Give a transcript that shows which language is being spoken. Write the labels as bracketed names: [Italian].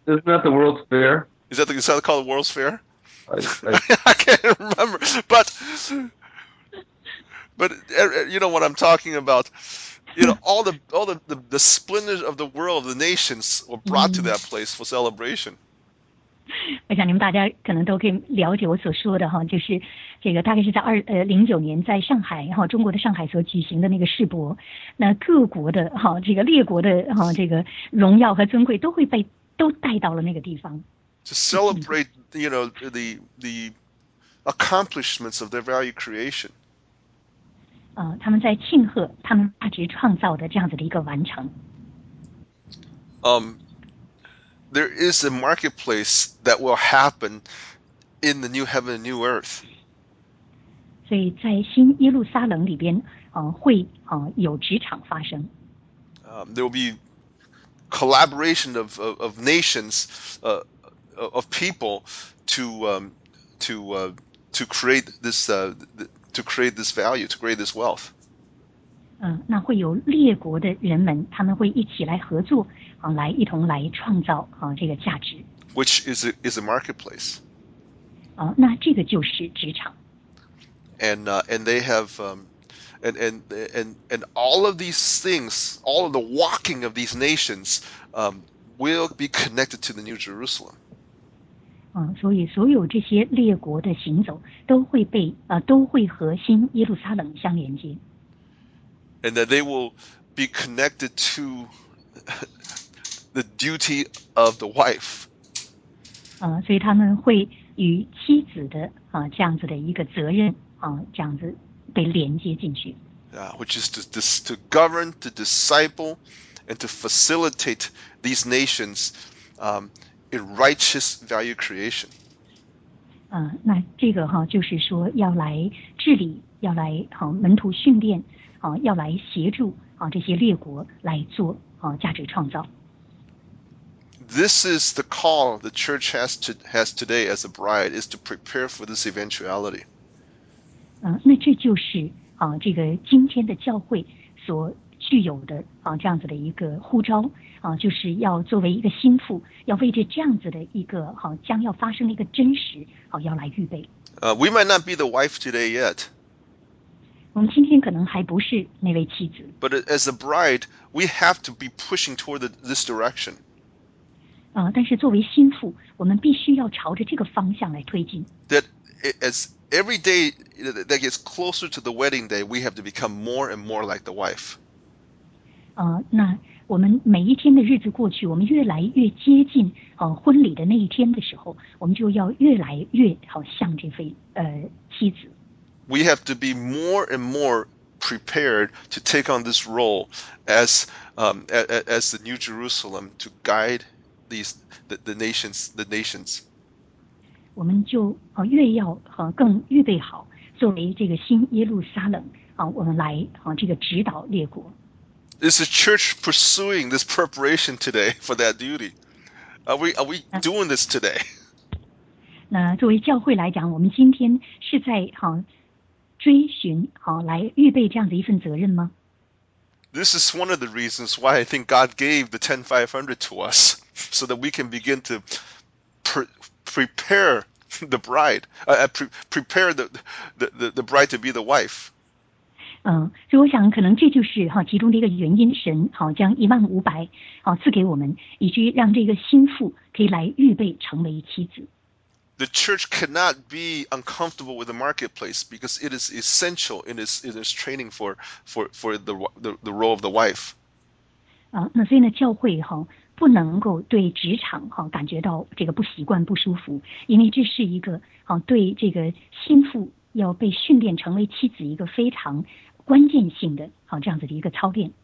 [English] Isn't that the World's Fair? Is that called the World's Fair? I can't remember. But you know what I'm talking about. You know, all the splendors of the world, the nations, were brought to that place for celebration. [Chinese] 我想你们大家可能都可以了解我所说的就是这个大概是在2009年在上海中国的上海所举行的那个世博，那各国的这个列国的这个荣耀和尊贵都带到了那个地方。 [English] To celebrate, you know, the accomplishments of their value creation. [Chinese] 他们在庆贺他们价值创造的这样子的一个完成。 [English] There is a marketplace that will happen in the new heaven and new earth. [Chinese] 所以在新耶路撒冷里边，会有职场发生。 [English] There will be collaboration of nations. Of people to create this value, to create this wealth. [Chinese] 那会有列国的人们，他们会一起来合作，来一同来创造这个价值。 [English] Which is a marketplace. [Chinese] 那这个就是职场。 [English] And they have and all of these things, all of the walking of these nations, will be connected to the New Jerusalem. [Chinese] 所以所有这些列国的行走都会被都会和新耶路撒冷相连接。 [English] And that they will be connected to the duty of the wife. [Chinese] 所以他们会与妻子的这样子的一个责任这样子被连接进去。 [English] Which is to govern, to disciple, and to facilitate these nations. In righteous value creation. [Chinese] 那这个就是说要来治理，要来门徒训练，要来协助这些列国来做价值创造。 [English] This is the call the church has today as a bride is to prepare for this eventuality. [Chinese] 那这就是这个今天的教会所具有的啊这样子的一个呼召啊，就是要作为一个心腹，要为着这样子的一个好、啊、将要发生的一个真实好、啊、要来预备。 [English] We might not be the wife today yet. [Chinese] 我们今天可能还不是那位妻子。 [English] But as a bride, we have to be pushing toward this direction. [Chinese] 啊，但是作为心腹，我们必须要朝着这个方向来推进。 [English] That as every day that gets closer to the wedding day, we have to become more and more like the wife. [Chinese] 啊，那我们每一天的日子过去，我们越来越接近啊婚礼的那一天的时候，我们就要越来越好像这位妻子。 [English] We have to be more and more prepared to take on this role as as the New Jerusalem to guide the nations. [Chinese] 我们就越要更预备好，作为这个新耶路撒冷啊，我们来啊这个指导列国。 [English] Is the church pursuing this preparation today for that duty? Are we doing this today? [Chinese] 那作为教会来讲，我们今天是在追寻来预备这样的一份责任吗？ [English] This is one of the reasons why I think God gave the 10500 to us so that we can begin to prepare the bride, prepare the bride to be the wife. [Chinese] 所以我想可能这就是其中的一个原因，神将1500赐给我们，以至于让这个心腹可以来预备成为妻子。 [English] The church cannot be uncomfortable with the marketplace because it is essential in its training for the role of the wife. [Chinese] 那所以呢，教会不能够对职场感觉到这个不习惯不舒服，因为这是一个对这个心腹要被训练成为妻子一个非常关键性的这样子的一个操练。